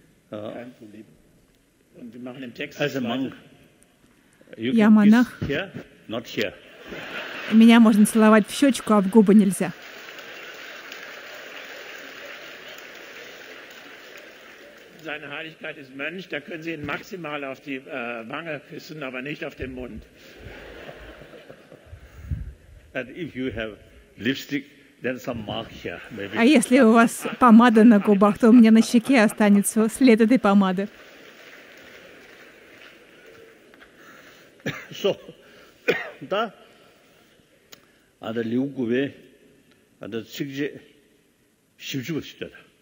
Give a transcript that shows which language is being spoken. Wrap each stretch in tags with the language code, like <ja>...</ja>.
<de>Und wir machen im Text.</de> <en>Also Monk.</en> <ru>Я монах.</ru> <en>Here? Not here.</en> <ru>Меня можно целовать в щечку, а в губы нельзя.</ru> <de>Seine Heiligkeit ist Mönch, da können Sie ihn maximal auf die Wange küssen, aber nicht auf den Mund.</de> <en>And if you have lipstick, then some mark here, maybe.</en> <ru>А если у вас помада на губах, то у меня на щеке останется след этой помады.</ru> <de>So, da an der Liugue, an der Zigge, Schimschuwe steht da.</de>